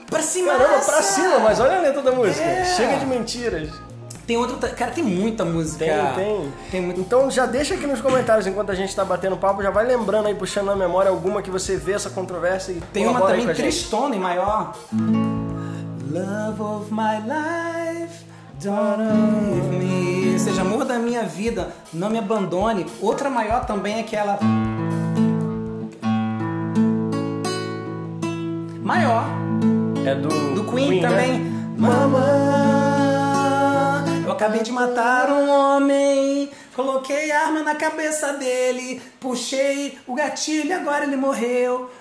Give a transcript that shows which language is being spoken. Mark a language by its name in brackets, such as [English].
[Portuguese] Pra cima! Caramba, pra cima, mas olha a letra da música. É. Chega de mentiras. Tem outra... Cara, tem muita música. Tem. Então já deixa aqui nos comentários, enquanto a gente tá batendo papo, já vai lembrando aí, puxando na memória alguma que você vê essa controvérsia e tem uma também, tristona e maior. [English] Love of my life, don't leave me. [Portuguese] Seja amor da minha vida, não me abandone. Outra maior também é aquela... Maior. É do... Do Queen, Queen também. Né? Mama... Acabei de matar um homem, coloquei arma na cabeça dele, puxei o gatilho e agora ele morreu.